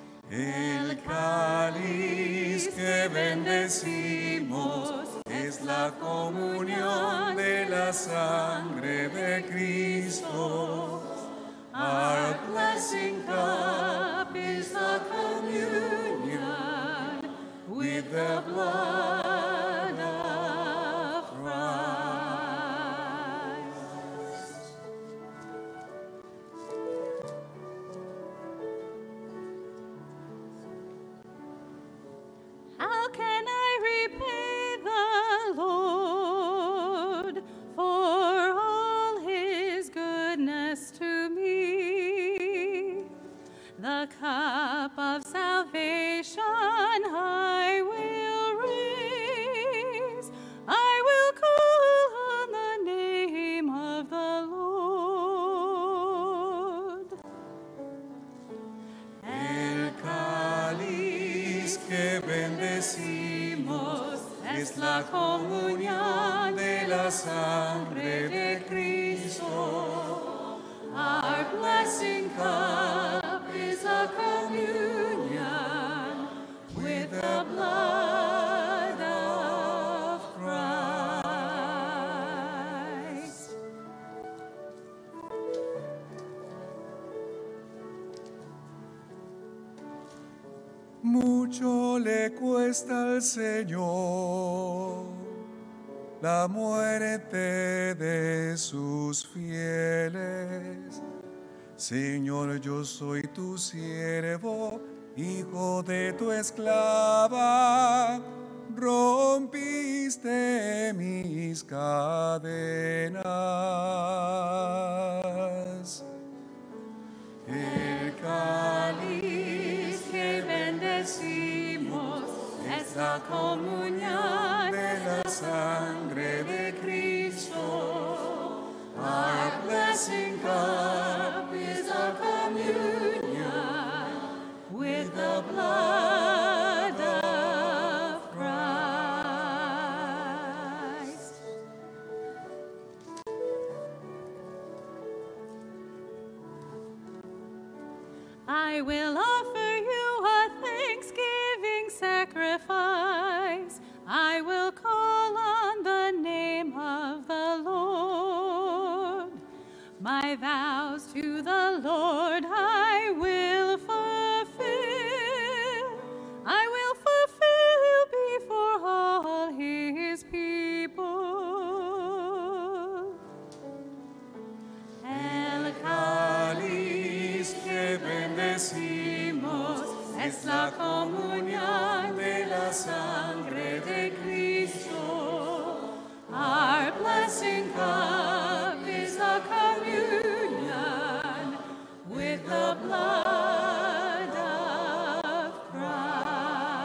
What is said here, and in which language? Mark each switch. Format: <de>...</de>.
<es>El cáliz que bendecimos es la comunión de la sangre de Cristo.</es> <en>Our blessing cup is the communion with the blood of Christ. How can I repay the Lord for all his goodness to me? The cup of salvation I will raise. I will call on the name of the Lord.</en> <es>El cáliz que bendecimos es la comunión de la sangre de Cristo.</es> <en>Our blessing cup is a communion with the blood of Christ.</en> <es>Mucho le cuesta al Señor la muerte de sus fieles. Señor, yo soy tu siervo, hijo de tu esclava. Rompiste mis cadenas. El cáliz que bendecimos es la comunión de la sangre de Cristo.</es> <en>Our blessing cup is a communion with the blood of Christ. I will offer you a thanksgiving sacrifice. I will call on the name of the Lord. My vows to the Lord I will fulfill. I will fulfill before all his people.</en> <es>El cáliz que bendecimos es la comunión de la sangre de Cristo.</es> <en>Our blessing cup is a communion with the blood of</en>